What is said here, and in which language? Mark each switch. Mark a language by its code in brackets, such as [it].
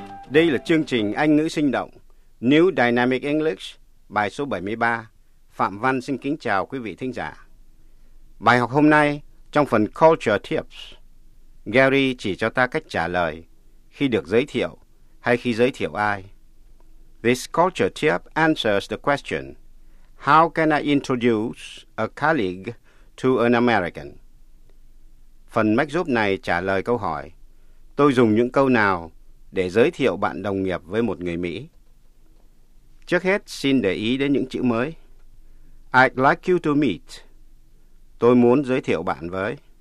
[vi] Đây là chương trình Anh ngữ sinh động, New Dynamic English, bài số 73. Phạm Văn xin kính chào quý vị thính giả. Bài học hôm nay trong phần Culture Tips, Gary chỉ cho ta cách trả lời khi được giới thiệu hay khi giới thiệu ai. [en] This culture tip answers the question, how can I introduce a colleague to an American? [vi] Phần mách giúp này trả lời câu hỏi, tôi dùng những câu nào để giới thiệu bạn đồng nghiệp với một người Mỹ. Trước hết, xin để ý đến những chữ mới. [en] I'd like you to meet. [vi] Tôi muốn giới thiệu bạn với.